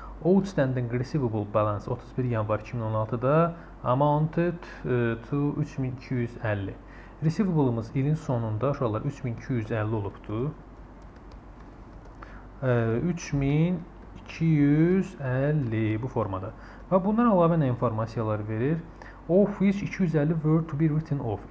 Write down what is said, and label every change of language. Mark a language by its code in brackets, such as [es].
[en] Outstanding receivable balance 31 [az] yanvar 2016-da [en] amounted to 3250. [az] Receivable'ımız ilin sonunda şuralar 3250 olubdu. 3250 bu formada. Və bundan əlavə nə informasiyalar verir? [en] Of which 250 were to be written off.